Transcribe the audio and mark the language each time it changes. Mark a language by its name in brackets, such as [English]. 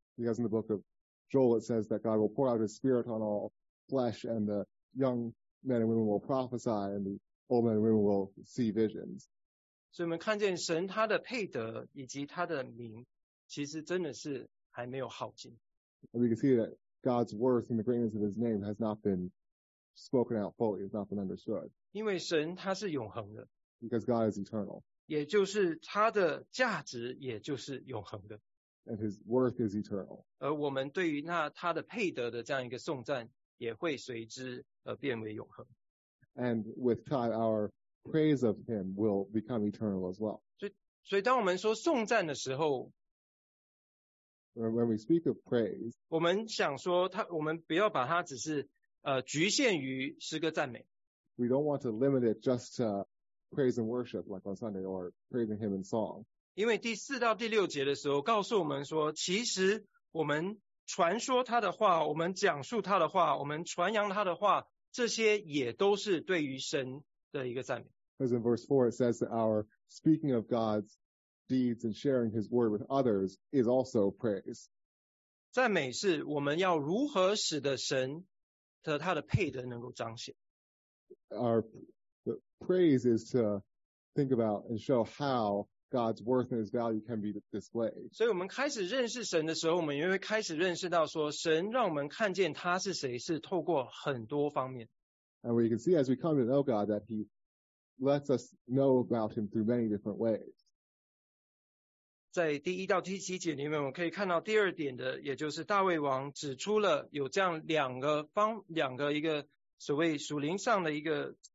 [English] Because in the book of Joel it says that God will pour out his spirit on all flesh and the young men and women will prophesy and the old men and women will see visions. [Chinese] 所以我们看见神他的配得以及他的名其实真的是还没有耗尽。 [English] And we can see that God's worth and the greatness of his name has not been spoken out fully, has not been understood. [Chinese] 因为神他是永恒的。 [English] Because God is eternal. [Chinese] 也就是他的价值也就是永恒的。 [English] And his worth is eternal. [Chinese] 而我们对于那他的配得的这样一个颂赞也会随之而变为永恒。 [English] And with time, our praise of him will become eternal as well. [Chinese] 所以当我们说颂赞的时候 [English] When we speak of praise, [Chinese] 我们想说我们不要把它只是局限于诗歌赞美。 [English] We don't want to limit it just to praise and worship like on Sunday or praising him in song. [Chinese] 因为第四到第六节的时候告诉我们说其实我们传说他的话我们讲述他的话我们传扬他的话这些也都是对于神的一个赞美。 [English] Because in verse 4 it says that our speaking of God's deeds and sharing his word with others is also praise. [Chinese] 赞美是我们要如何使得神和他的配得能够彰显。 [English] Our praise is to think about and show howGod's worth and his value can be displayed. [Chinese] 所以我们开始认识神的时候我们也会开始认识到说神让我们看见他是谁是透过很多方面。 [English] And we can see as we come to know God that he lets us know about him through many different ways. [Chinese] 在第一到第七节里面我们可以看到第二点的也就是大卫王指出了有这样两个一个所谓属灵上的一个